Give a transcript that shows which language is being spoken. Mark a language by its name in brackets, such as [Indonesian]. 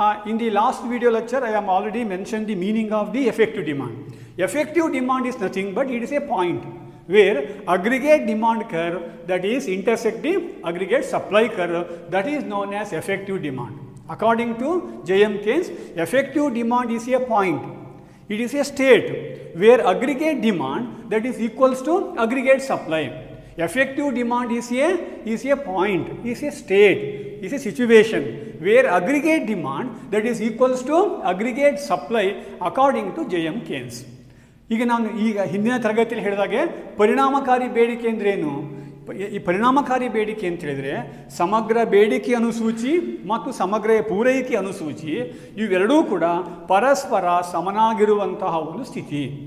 [English] In the last video lecture I am already mention the meaning of the effective demand. Effective demand is nothing but it is a point where aggregate demand curve that is intersective aggregate supply curve that is known as effective demand. According to J M Keynes effective demand is a point. It is a state where aggregate demand, that is equals to aggregate supply. Effective demand is a point, is a state, is a situation where aggregate demand, that is equals to aggregate supply, according to J.M. Keynes. [Kannada] ಈಗ ನಾನು ಈಗ ಹಿಂದಿನ ತರಗತಿಯಲ್ಲಿ ಹೇಳಿದಾಗೆ ಪರಿಣಾಮಕಾರಿ ಬೇಡಿಕೆ ಅಂದ್ರೇನು? ಈ ಪರಿಣಾಮಕಾರಿ ಬೇಡಿಕೆ ಅಂತ ಹೇಳಿದ್ರೆ ಸಮಗ್ರ ಬೇಡಿಕೆ ಅನುಸೂಚಿ ಮತ್ತು ಸಮಗ್ರ ಪೂರೈಕೆ ಅನುಸೂಚಿ ಇವೆರಡೂ ಕೂಡ ಪರಸ್ಪರ ಸಮನಾಗಿರುವಂತಹ ಒಂದು ಸ್ಥಿತಿ.